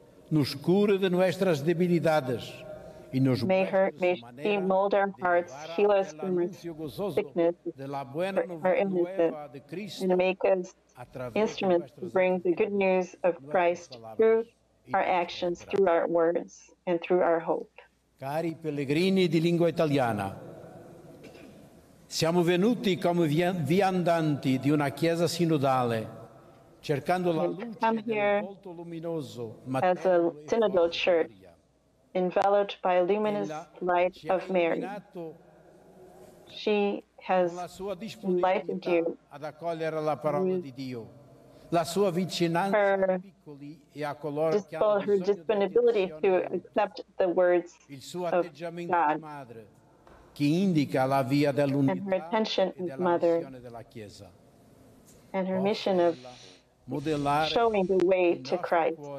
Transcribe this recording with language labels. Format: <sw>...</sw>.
<es>Nos cura de nuestras debilidades y nos</es> <en>may her, may she mold our hearts, heal us from our sickness, our illnesses, and make us instruments to bring the good news of Christ through our actions, through our words, and through our hope.</en> <it>Cari pellegrini di lingua italiana, siamo venuti come viandanti di una chiesa sinodale.</it> <en>We come here as a synodal church, enveloped by a luminous light of Mary. She has enlightened you</en> <it>ad accogliere la parola di Dio, la sua vicinanza piccoli e a coloro che hanno bisogno,</it> <en>her disponibility to accept the words of God,</en> <it>che indica la via dell'unità,</it> <en>and her attention as mother, and her mission of showing the way to Christ.</en>